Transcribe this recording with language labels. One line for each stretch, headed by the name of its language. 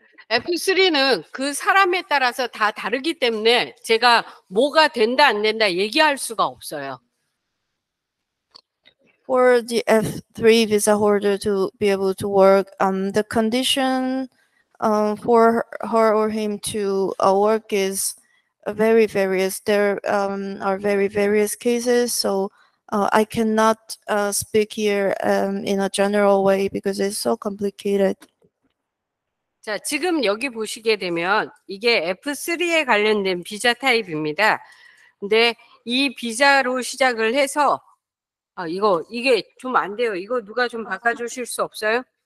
Korean: F3는 그 사람에 따라서 다 다르기 때문에 제가 뭐가 된다 안 된다 얘기할 수가 없어요.
English: for the F3 visa holder to be able to work. The condition for her or him to work is very various. There are very various cases, so I cannot speak here in a general way because it's so complicated.
Korean: 자, 지금 여기 보시게 되면 이게 F3에 관련된 비자 타입입니다. 근데 이 비자로 시작을 해서 아, 이거 이게 좀 안 돼요. 이거 누가 좀 바꿔 주실 수 없어요?